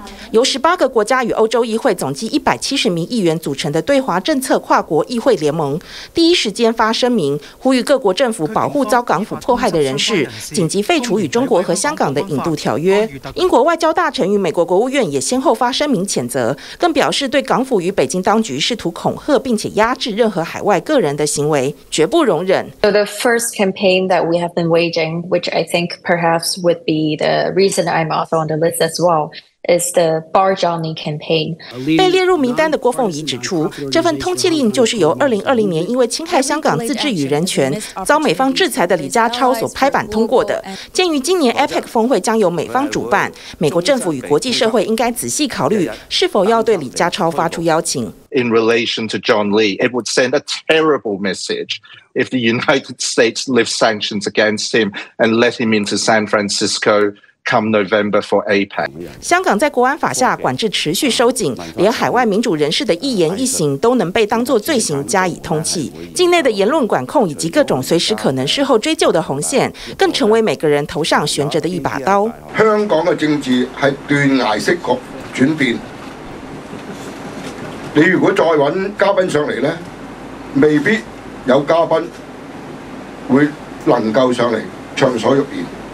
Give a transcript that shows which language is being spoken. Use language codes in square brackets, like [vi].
[zh] 由18个国家与欧洲议会总计170名议员组成的对华政策跨国议会联盟，第一时间发声明，呼吁各国政府保护遭港府迫害的人士，紧急废除与中国和香港的引渡条约。英国外交大臣与美国国务院也先后发声明谴责，更表示对港府与北京当局试图恐吓并且压制任何海外个人的行为绝不容忍。 [en] So the first campaign that we have been waging, which I think perhaps would be the reason I'm also on the list as well. is the Barzani campaign. [zh] 被列入名单的郭凤仪指出，这份通缉令就是由2020年因为侵害香港自治与人权遭美方制裁的李家超所拍板通过的。鉴于今年 APEC 峰会将由美方主办，美国政府与国际社会应该仔细考虑是否要对李家超发出邀请。 [en] In relation to John Lee, it would send a terrible message if the United States lifts sanctions against him and let him into San Francisco. Come November for APEC. [zh] 香港在国安法下管制持续收紧，连海外民主人士的一言一行都能被当作罪行加以通缉。境内的言论管控以及各种随时可能事后追究的红线，更成为每个人头上悬着的一把刀。香港的政治是断崖式的转变，你如果再找嘉宾上来呢，未必有嘉宾会能够上来畅所欲言。